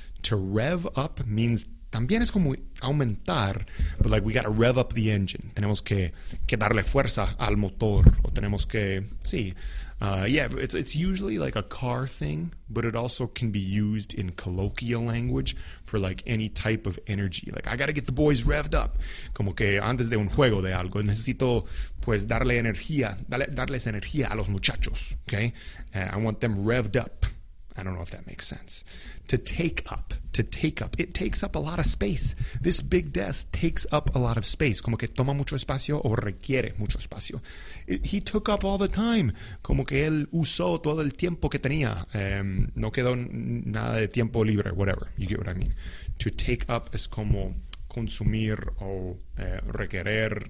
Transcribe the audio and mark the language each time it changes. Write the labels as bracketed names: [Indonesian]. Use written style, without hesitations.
[English] To rev up means [Spanish] también es como aumentar, [English] but like we gotta rev up the engine. [Spanish] Tenemos que darle fuerza al motor. O tenemos que, sí. [English] Yeah, it's usually like a car thing, but it also can be used in colloquial language for like any type of energy. Like, I gotta get the boys revved up. [Spanish] Como que antes de un juego de algo, necesito pues darle energía, darles energía a los muchachos, okay? [English] I want them revved up. I don't know if that makes sense. To take up. It takes up a lot of space. This big desk takes up a lot of space. [Spanish] Como que toma mucho espacio o requiere mucho espacio. [English] He took up all the time. [Spanish] Como que él usó todo el tiempo que tenía. No quedó nada de tiempo libre. [English] Whatever. You get what I mean. [Spanish] To take up es como consumir o requerer.